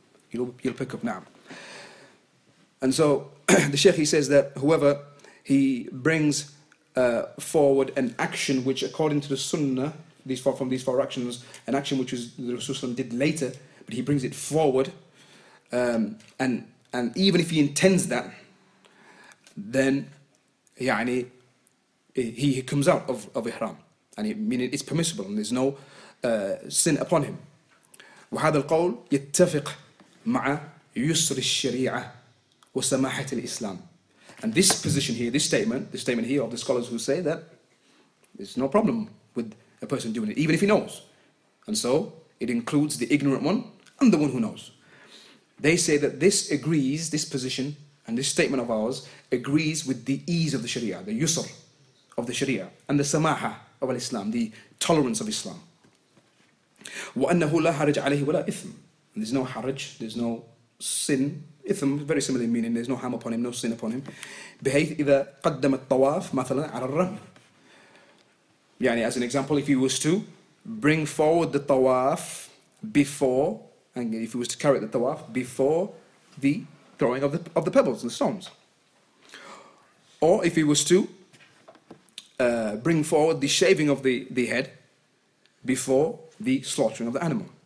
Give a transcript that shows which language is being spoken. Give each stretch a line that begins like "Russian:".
English: You'll pick up words now. And so the Sheikh, he says that whoever he brings forward an action which, according to the Sunnah, these four actions, an action which the Rasulullah did later, but he brings it forward, and even if he intends that, then يعني, he comes out of ihram, and meaning it's permissible and there's no sin upon him.
Arabic: وهذا القول يتفق مع يسر الشريعة وسماحة الإسلام.
English: And this position here, this statement here of the scholars who say that there's no problem with a person doing it, even if he knows. And so it includes the ignorant one and the one who knows. They say that this statement of ours agrees with the ease of the Sharia, the yusr of the Sharia, and the samaha of Islam, the tolerance of Islam.
Arabic: وَأَنَّهُ لَا حَرَجْ عَلَيْهِ وَلَا إِثْمٍ.
English: There's no haraj, there's no sin. Ithm, very similar in meaning, there's no harm upon him, no sin upon him.
Arabic: بحيث إذا قدم الطواف مثلا على الرمي.
English: As an example, if he was to bring forward the tawaf before, and if he was to carry the tawaf before the throwing of the pebbles and the stones. Or if he was to bring forward the shaving of the head before the slaughtering of the animal.